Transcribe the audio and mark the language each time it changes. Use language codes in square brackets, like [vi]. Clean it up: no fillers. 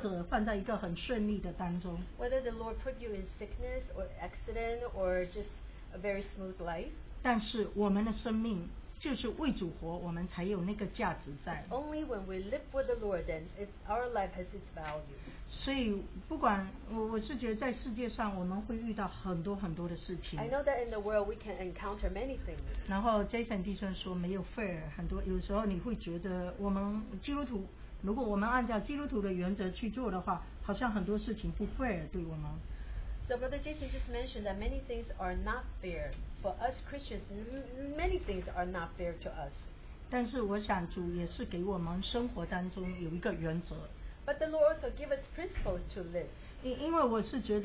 [zh] 真的不管主是把你放在生病当中，或者放在一个意外当中，或者放在一个很顺利的当中。 [en] Whether the Lord put you in sickness or accident or just a very smooth life. [zh] 但是我们的生命就是为主活，我们才有那个价值在。 [en] Only when we live for the Lord, then our life has its value. [zh] 所以不管我是觉得在世界上我们会遇到很多很多的事情。 [en] I know that in the world we can encounter many things. [zh] 然后Jason弟兄说没有 fair，很多有时候你会觉得我们基督徒，如果我们按照基督徒的原则去做的话，好像很多事情不 fair对我们。 [en] So Brother Jason just mentioned that many things are not fair for us Christians. Many things are not fair to us. [zh] 但是我想主也是给我们生活当中有一个原则。 [en] But the Lord also gives us principles to live.